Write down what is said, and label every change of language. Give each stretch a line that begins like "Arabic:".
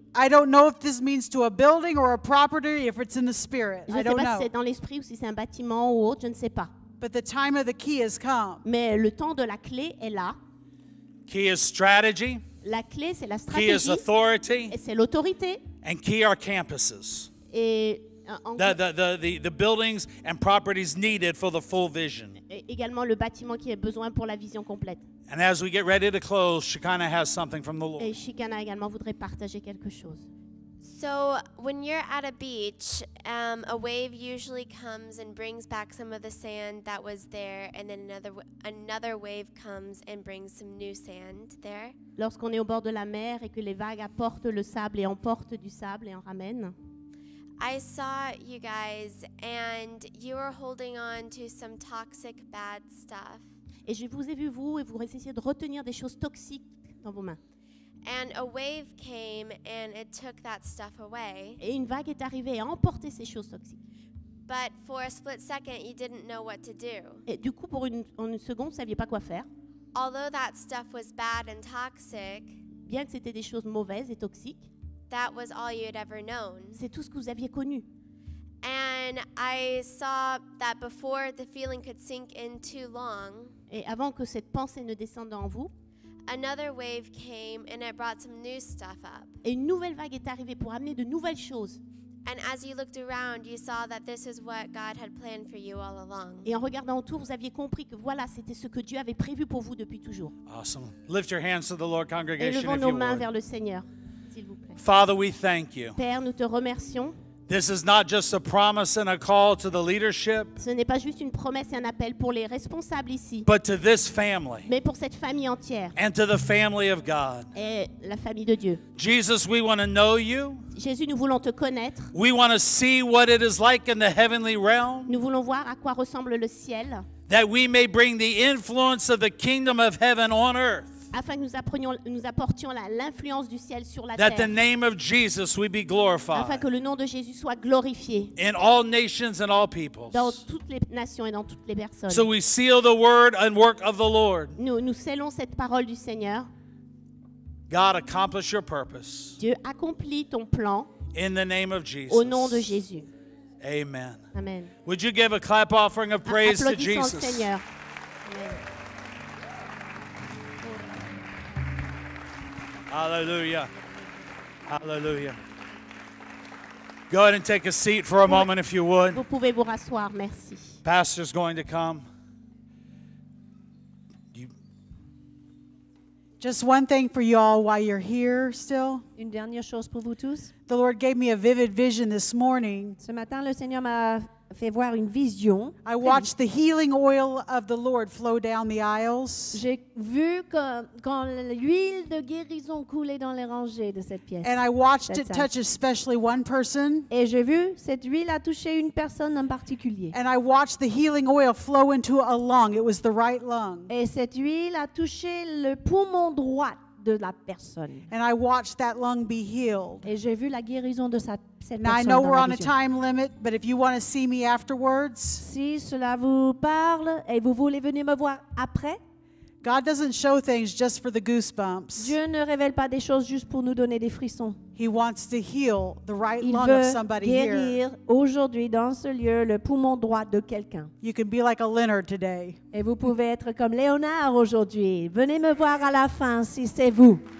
English: I don't know if this means to a building or a property, if it's in the spirit.
French: Je ne sais pas si c'est dans l'esprit ou si c'est un bâtiment ou autre, je ne sais pas.
English: But the time of the key has come.
French: Mais le temps de la clé est là.
English: Key is strategy.
French: La clé, c'est la stratégie.
English: Key is authority.
French: Et c'est l'autorité.
English: And key are campuses.
French: Et
English: the buildings and properties needed for the full vision.
French: Et également le bâtiment qui a besoin pour la vision complète.
English: And as we get ready to close, Shekana has something from the Lord.
French: Et Shekana également voudrait partager quelque chose.
English: So when you're at a beach, a wave usually comes and brings back some of the sand that was there, and then another wave comes and brings some new sand there.
French: Lorsqu'on est au bord de la mer et que les vagues apportent le sable et emportent du sable et en ramènent.
English: I saw you guys, and you were holding on to some toxic, bad stuff.
French: Et je vous ai vu vous et vous essayez de retenir des choses toxiques dans vos mains.
English: And a wave came and it took that stuff away.
French: Et une vague est arrivée et a emporté ces choses toxiques.
English: But for a split second, you didn't know what to do.
French: Et du coup, pour une seconde, vous saviez pas quoi faire.
English: Although that stuff was bad and toxic.
French: Bien que c'était des choses mauvaises et toxiques.
English: That was all you had ever known.
French: C'est tout ce que vous aviez connu.
English: And I saw that before the feeling could sink in too long.
French: Et avant que cette pensée ne descende en vous,
English: another wave came and it brought some new stuff up.
French: Et une nouvelle vague est arrivée pour amener de nouvelles choses.
English: And as you looked around, you saw that this is what God had planned for you all along.
French: Et en regardant autour, vous aviez compris que voilà, c'était ce que Dieu avait prévu pour vous depuis toujours.
English: Awesome. Lift your hands to the Lord, congregation, if you would.
French: Et levons nos mains vers le Seigneur. s'il vous plaît.
English: Father, we thank you.
French: Père, nous te remercions.
English: This is not just a promise and a call to the leadership.
French: Ce n'est pas juste une promesse et un appel pour les responsables ici.
English: But to this family.
French: Mais pour cette famille entière.
English: And to the family of God.
French: Et la famille de Dieu.
English: Jesus, we want to know you.
French: Jésus, nous voulons te connaître.
English: We want to see what it is like in the heavenly realm.
French: Nous voulons voir à quoi ressemble le ciel.
English: That we may bring the influence of the kingdom of heaven on earth.
French: Afin que nous apportions l'influence du ciel sur la
English: that
French: terre.
English: The name of Jesus we be glorified.
French: Afin que le nom de Jésus soit glorifié.
English: In all nations and all peoples.
French: Dans toutes les nations et dans toutes les personnes.
English: So we seal the word and work of the Lord.
French: Nous scellons cette parole du Seigneur.
English: God accomplish your purpose.
French: Dieu accomplit ton plan.
English: In the name of Jesus.
French: Au nom de Jésus.
English: Amen.
French: Amen.
English: Would you give a clap offering of praise to Jesus?
French: Applaudissons le Seigneur. Amen.
English: Hallelujah. Hallelujah. Go ahead and take a seat for a moment if you would.
French: Vous pouvez vous rasseoir, merci.
English: Pastor's going to come. Just one thing for y'all while you're here still.
French: Une dernière chose pour vous tous.
English: The Lord gave me a vivid vision this morning.
French: Ce matin, le Seigneur m'a fait voir une vision.
English: I watched the healing oil of the Lord flow down the aisles.
French: J'ai vu quand l'huile de guérison coulait dans les rangées de cette pièce.
English: And I watched it touch especially one person.
French: Et j'ai vu cette huile a touché une personne en particulier.
English: And I watched the healing oil flow into a lung. It was the right lung.
French: Et cette huile a touché le poumon droit de la personne.
English: And I watched that lung be healed.
French: Et j'ai vu la guérison de cette personne.
English: Now I know we're on a time limit, but if you want to see me afterwards,
French: si cela vous parle et vous voulez venir me voir après,
English: God doesn't show things just for the goosebumps.
French: Dieu ne révèle pas des choses juste pour nous donner des frissons.
English: He wants to heal the right
French: Il
English: lung of somebody here.
French: Il veut guérir aujourd'hui dans ce lieu le poumon droit de quelqu'un.
English: You can be like a Leonard today.
French: Et vous pouvez être comme Léonard aujourd'hui. Venez me voir à la fin si c'est vous.